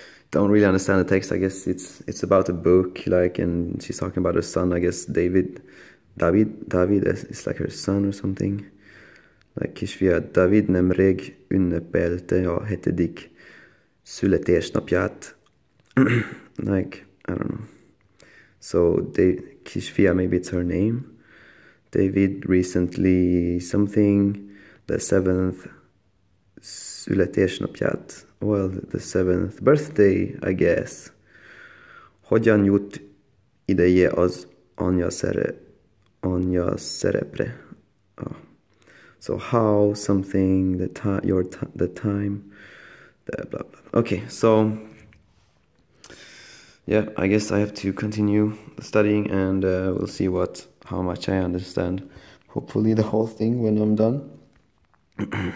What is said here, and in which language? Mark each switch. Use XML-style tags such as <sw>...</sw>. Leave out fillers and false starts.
<en>Don't really understand the text. I guess it's about a book, like, and she's talking about her son, I guess David is like her son or something.</en> <hu>Like Kisfia, David nemrég ünnepelte a hetedik születésnapját.</hu> <en>Like, I don't know. So Kisfia, maybe it's her name. David recently something, the seventh születésnapját. Well, the seventh birthday, I guess.</en> <hu>Hogyan jut ideje az anya szerepre?</hu> <en>Oh. So how something the time your the time, the blah blah. Okay, so yeah, I guess I have to continue studying, and we'll see what how much I understand. Hopefully, the whole thing when I'm done.</en>